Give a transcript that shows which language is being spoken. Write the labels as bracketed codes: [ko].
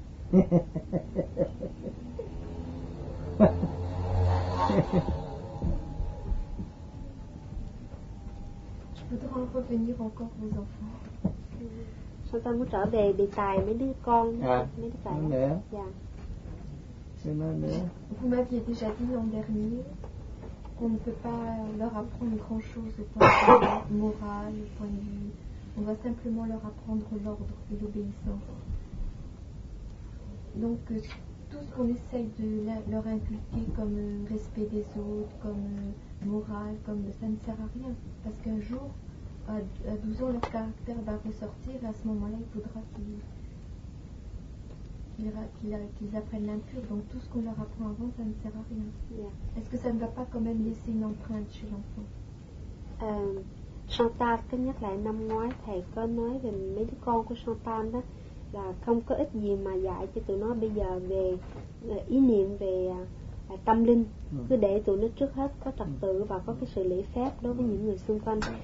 [fr] Je voudrais en revenir encore aux enfants. Je voudrais vous [vi] trở về đề tài mấy đứa con, mấy đứa trẻ. [fr] Vous m'aviez déjà dit l'an dernier qu'on ne peut pas leur apprendre grand chose au point de vue moral, au point de vue. On va simplement leur apprendre l'ordre et l'obéissance. Donc, tout ce qu'on essaye de leur inculquer comme respect des autres, comme morale, comme ça ne sert à rien. Parce qu'un jour, à 12 ans, leur caractère va ressortir et à ce moment-là, il faudra qu'ils apprennent l'impur, donc tout ce qu'on leur apprend avant, ça ne sert à rien. Yeah. Est-ce que ça ne va pas quand même laisser une empreinte chez l'enfant? [vi] Chantal, thứ nhất là năm ngoái thầy có nói về mấy đứa con của Chantal đó là không có ích gì mà dạy cho tụi nó bây giờ về ý niệm về tâm linh, cứ để tụi nó trước hết có trật tự và có cái sự lễ phép đối với những người xung quanh.